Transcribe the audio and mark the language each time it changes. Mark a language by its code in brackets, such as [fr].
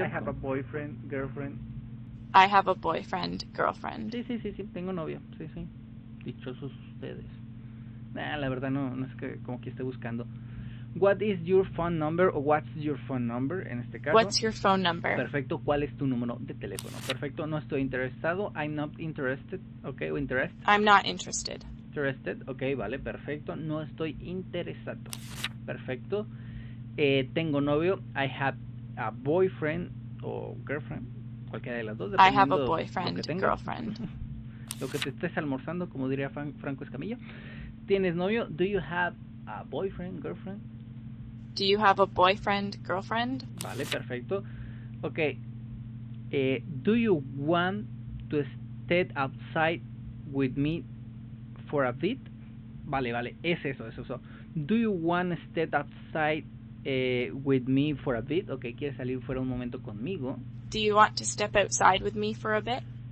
[en] I have a boyfriend, girlfriend. I have a boyfriend, girlfriend. [es] Sí, tengo novio, sí. Dichosos ustedes. Nah, la verdad no es que como que esté buscando. [en] What is your phone number o what's your phone number [es] en este caso? [en] What's your phone number? [es] Perfecto, ¿cuál es tu número de teléfono? Perfecto, no estoy interesado. [en] I'm not interested, okay, o interest. I'm not interested. [es] Interested, okay, vale, perfecto. No estoy interesado. Perfecto. Tengo novio. [en] I have a boyfriend o girlfriend. [es] Cualquiera de las dos. [en] I have a boyfriend, girlfriend. [es] Lo que te estés almorzando, como diría Franco Escamilla. ¿Tienes novio? [en] Do you have a boyfriend, girlfriend? Do you have a boyfriend, girlfriend? [es] Vale, perfecto. Ok. [en] Do you want to stay outside with me for a bit? [es] Vale. Es eso. [en] Do you want to stay outside with me for a bit? [es] Ok, ¿quieres salir fuera un momento conmigo? [en] Do you want to step outside with me for a bit?